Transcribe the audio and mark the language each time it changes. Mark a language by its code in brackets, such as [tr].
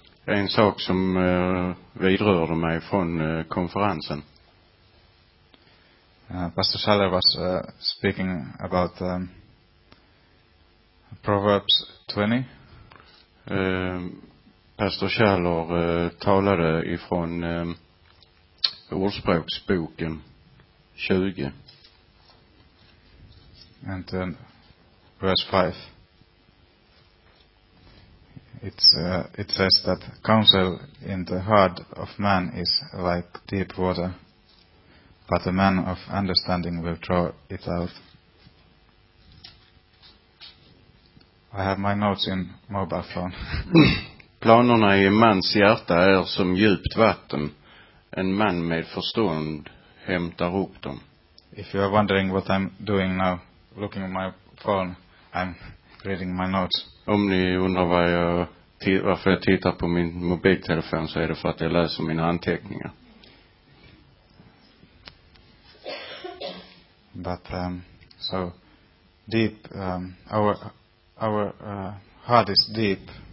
[sv] En sak som vidrörde mig från konferensen. [en] Pastor Schaller was speaking about Proverbs 20. [sv] Pastor Schaller talade ifrån Ordspråksboken 20. [en] And then verse 5. It says that counsel in the heart of man is like deep water, but a man of understanding will draw it out. I have my notes in mobile phone. [sv] Planerna i mans hjärta är som djupt vatten. En man med förstånd hämtar upp dem. [en] If you are wondering what I'm doing now, looking at my phone, I'm reading my notes. [sv] Om ni undrar varför jag tittar på min mobiltelefon, så är det för att jag läser mina anteckningar. [en] But so deep, our heart is deep.